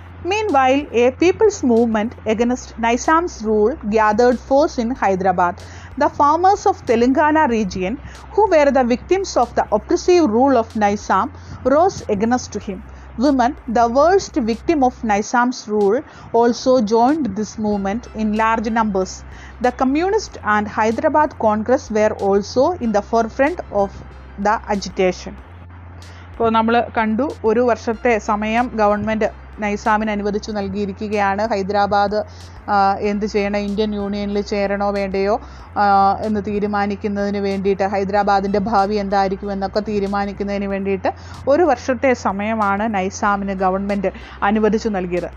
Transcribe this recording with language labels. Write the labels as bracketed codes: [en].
[en] Meanwhile a people's movement against Nizam's rule gathered force in Hyderabad. The farmers of Telangana region who were the victims of the oppressive rule of Nizam rose against him. Women, the worst victim of Nizam's rule, also joined this movement in large numbers. The Communist and Hyderabad Congress were also in the forefront of the agitation. [ml] ഇപ്പോൾ നമ്മൾ കണ്ടു ഒരു വർഷത്തെ സമയം government നൈസാമിന് അനുവദിച്ചു നൽകിയിരിക്കുകയാണ്. ഹൈദരാബാദ് എന്ത് ചെയ്യണം, ഇന്ത്യൻ യൂണിയനിൽ ചേരണോ വേണ്ടയോ എന്ന് തീരുമാനിക്കുന്നതിന് വേണ്ടിയിട്ട്, ഹൈദരാബാദിൻ്റെ ഭാവി എന്തായിരിക്കും എന്നൊക്കെ തീരുമാനിക്കുന്നതിന് വേണ്ടിയിട്ട് ഒരു വർഷത്തെ സമയമാണ് നൈസാമിന് ഗവൺമെൻറ് അനുവദിച്ചു നൽകിയത്.